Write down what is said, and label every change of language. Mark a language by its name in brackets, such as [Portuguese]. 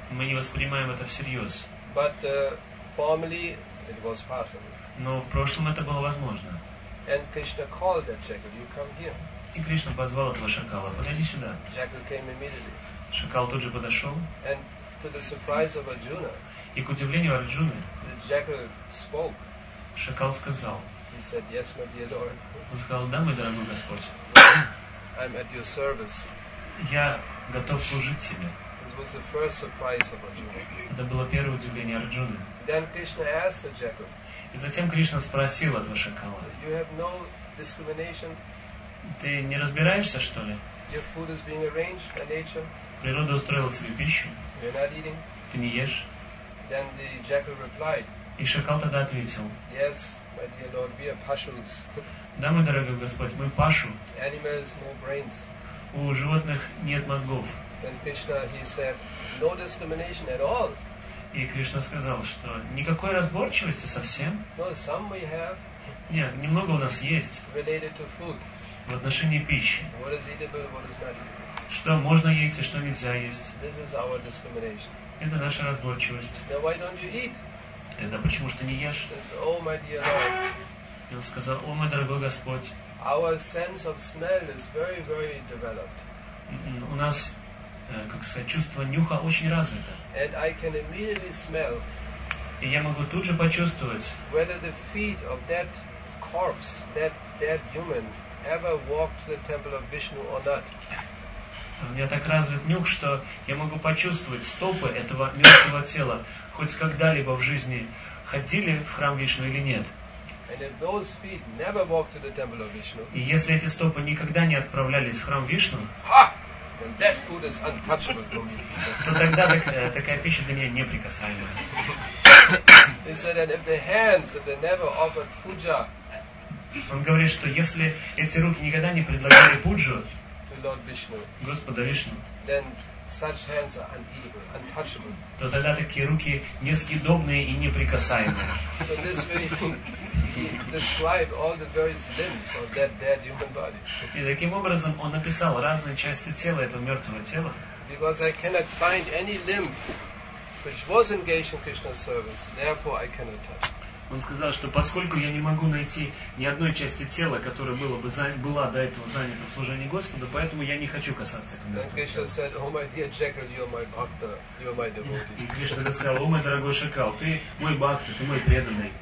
[Russian] Мы не воспринимаем это всерьез. [English] But formerly it was possible. [Russian] Но в прошлом это было возможно. [English] And Krishna called that jackal, you come here. [Russian] И Кришна позвал этого шакала, подойди сюда. [English] Jackal came immediately. [Russian] Шакал тут же подошел. [English] And to the surprise of Arjuna, [Russian] и к удивлению Арджуны, [English] the jackal spoke. [Russian] Шакал сказал. [English] He said, yes, my dear Lord. [Russian] Он сказал, да, мой дорогой Господь. [English] I'm at your service. [Russian] Я готов служить тебе. [English] This was the first surprise of Arjuna. [Russian] Это было первое удивление Арджуны. [English] Then Krishna asked the jackal, [Russian] и затем Кришна спросил этого шакала. [English] You have no discrimination? [Russian] Ты не разбираешься, что ли? [English] Your food is being arranged by nature? [Russian] Природа устроила себе пищу. [English] You're not eating? [Russian] Ты не ешь? [English] Then the jackal replied, [Russian] и шакал тогда ответил. [English] Yes, my dear Lord, we are pashus. [Russian] Да, мой дорогой Господь, мы пашу. [English] Animals, no brains. [Russian] У животных нет мозгов. [English] Then Krishna, he said, no discrimination at all. [Russian] И Кришна сказал, что никакой разборчивости совсем. [English] No, some we have. [Russian] Нет, немного у нас есть. [English] Related to food. [Russian] В отношении пищи. [English] What is eatable, what is not eatable. [Russian] Что можно есть и что нельзя есть. [English] This is our discrimination. [Russian] Это наша разборчивость. [English] Then why don't you eat? [Russian] Тогда почему же ты не ешь? [English] Oh, my dear Lord. [Russian] И он сказал, о, мой дорогой Господь. [English] Our sense of smell is very, very developed. [Russian] У нас, как сказать, чувство нюха очень развито. [English] And I can immediately smell. [Russian] И я могу тут же почувствовать. [English] Whether the feet of that corpse, that dead human, ever walked to the temple of Vishnu or not. [Russian] У меня так развит нюх, что я могу почувствовать стопы этого мертвого тела, хоть когда-либо в жизни ходили в храм Вишну или нет. [English] And if those feet never walked to the temple of Vishnu. [Russian] И если эти стопы никогда не отправлялись в храм Вишну. [English] And that food is untouchable for me. [Russian] То тогда такая пища для меня неприкасаема. [English] He said that if the hands that they never offered puja. [Russian] Он говорит, что если эти руки никогда не предлагали пуджу. [English] To Lord Vishnu. [Russian] Господа Вишну. [English] Then such hands are uneatable, untouchable. [Russian] То тогда такие руки несъедобные и неприкасаемые. [English] So this way he described all the various limbs of that dead human body. [Russian] И таким образом он описал разные части тела этого мертвого тела. [English] Because I cannot find any limb which was engaged in Krishna's service, therefore I cannot touch. [Russian] Он сказал, что поскольку я не могу найти ни одной части тела, которая была до этого занята в служении Господу, поэтому я не хочу касаться этого. И Кришна сказал, о, мой дорогой шакал, ты мой бхакта, ты мой преданный.